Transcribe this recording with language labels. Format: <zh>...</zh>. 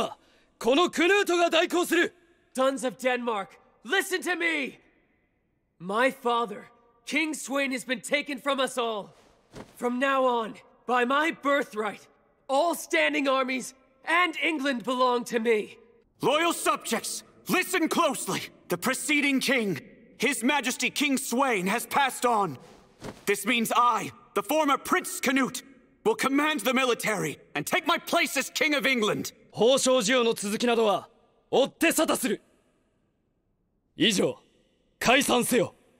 <ja>ただいまより、全軍の指揮及びイングランド統治はこのクヌートが代行する!</ja> <en>Sons of Denmark, listen to me! My father, King Sweyn, has been taken from us all. From now on, by my birthright, all standing armies and England belong to me. Loyal subjects, listen closely. The preceding king, His Majesty King Sweyn, has passed on. This means I, the former Prince Canute, will command the military and take my place as King of England.</en> <ja>報奨授与の続きなどは追って沙汰する。以上、解散せよ。</ja>